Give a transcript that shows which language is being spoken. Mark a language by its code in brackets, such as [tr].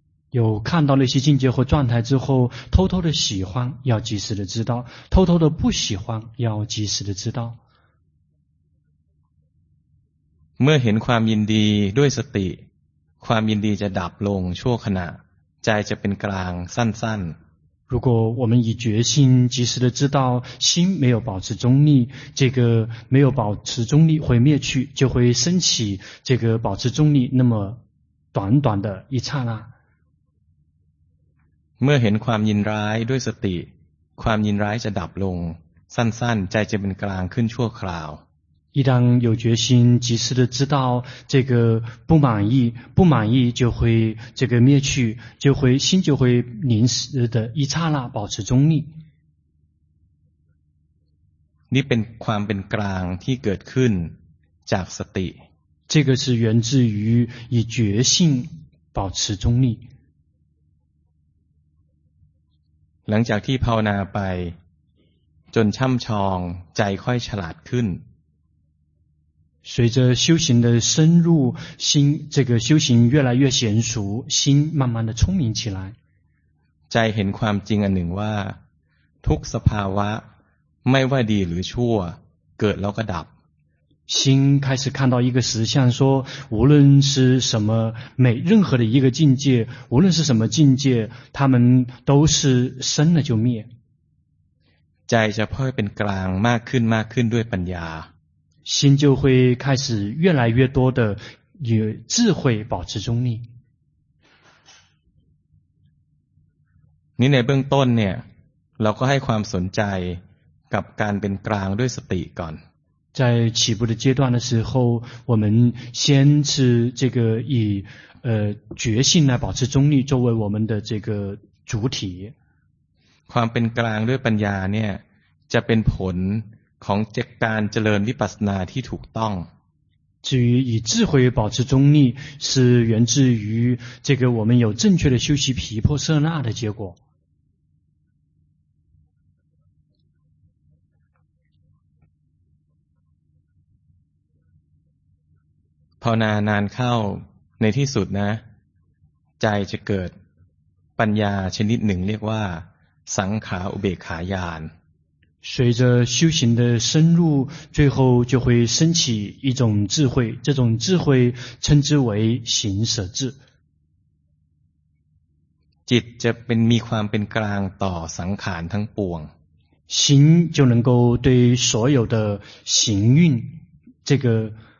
[zh] 有看到那些境界或状态之后，偷偷的喜欢要及时的知道，偷偷的不喜欢要及时的知道。 [th] เมื่อเห็นความยินดีด้วยสติความยินดีจะดับลงชั่วขณะใจจะเป็นกลางสั้นสั้น [zh] 如果我们以决心及时的知道心没有保持中立，这个没有保持中立会灭去，就会升起这个保持中立那么短短的一刹那。 [th] เมื่อเห็นความยินร้ายด้วยสติความยินร้ายจะดับลงสั้นๆใจจะเป็นกลางขึ้นชั่วคราว [zh] 一旦有决心及时的知道这个不满意不满意就会这个灭去就会心就会临时的一刹那保持中立 [th] นี่เป็นความเป็นกลางที่เกิดขึ้นจากสติ [zh] 这个是源自于以决心保持中立 [th] หลังจากที่ภาวนาไปจนช่ำชองใจค่อยฉลาดขึ้น [zh] 随着修行的深入心这个修行越来越娴熟心慢慢的聪明起来 [th] ใจเห็นความจริงอันหนึ่งว่าทุกสภาวะไม่ว่าดีหรือชั่วเกิดแล้วก็ดับ [zh] 心开始看到一个实相说无论是什么每任何的一个境界无论是什么境界他们都是生了就灭 [th] ใจจะพ่อยเป็นกลางมากขึ้นมากขึ้นด้วยปัญญา [zh] 心就会开始越来越多的与智慧保持中立 [th] นี่ในเบื้องต้นเนี่ยเราก็ให้ความสนใจกับการเป็นกลางด้วยสติก่อน [zh] 在起步的阶段的时候我们先是这个以决心来保持中立作为我们的这个主体 [th] ความเป็นกลางด้วยปัญญาเนี่ยจะเป็นผลของการเจริญวิปัสสนาที่ถูกต้อง [zh] 至于以智慧保持中立是源自于这个我们有正确的修习毗婆舍那的结果 [th] ภาวนานานเข้าในที่สุดนะใจจะเกิดปัญญาชนิดหนึ่งเรียกว่าสังขารอุเบกขาญาณ [zh] 随着修行的深入最后就会升起一种智慧这种智慧称之为行舍智 [th] จิตจะเป็นมีความเป็นกลางต่อสังขารทั้งปวง [zh] 心就能够对所有的行运这个